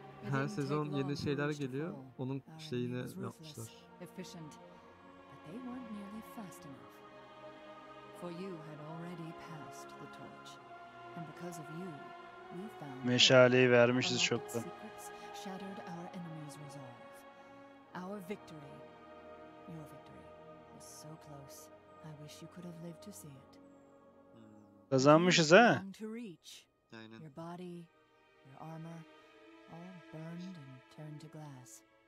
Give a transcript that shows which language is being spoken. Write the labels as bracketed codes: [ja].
[tr] Her sezon yeni şeyler geliyor. Onun şeyini yapmışlar. Efficient. [en] But they weren't nearly fast enough. For you had already passed the torch. And because of you, we found [tr] meşaleyi vermişiz çoktan. [en] Shattered our enemy's resolve. Our victory, your victory was so close. I wish you could have lived to see it. [tr] Kazanmışız ha. Aynen. [en] Your body, your armor, all burned and turned to glass.